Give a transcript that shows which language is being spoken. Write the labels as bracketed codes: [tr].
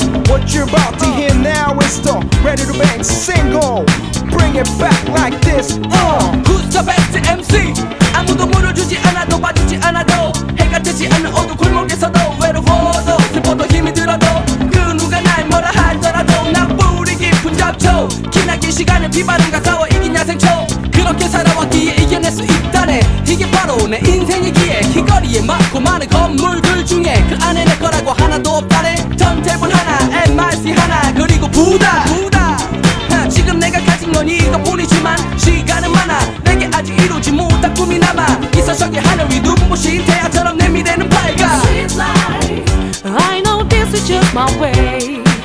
[en] What you're about to hear now is the Ready to Bang single. Bring it back like this. Who's the best MC? [ko] 아무도 물어주지 않아도 봐주지 않아도 해가 뜨지 않는 어두운 골목에서도 외로워도 슬퍼도 힘이 들어도 그 누가 날 뭐라 하더라도 나 뿌리 깊은 잡초 기나긴 시간에 비바람과 싸워 이긴 야생초 그렇게 살아왔기에 이겨낼 수 있다네 이게 바로 내 인생이기에 길거리에 많고 많은 건물들 중에 그 안에 내 거라고 하나도 없다네 턴테이블 하나 M.U.S.I.C 하나 그리고 부다 부다 지금 내가 가진 건 이것뿐이지만 시간은 많아 내게 아직 이루지 못한 꿈이 남아 있어 저기 하늘 위 눈부신 태양처럼 내 미래는 밝아 [en] Streetlight I know this is just my way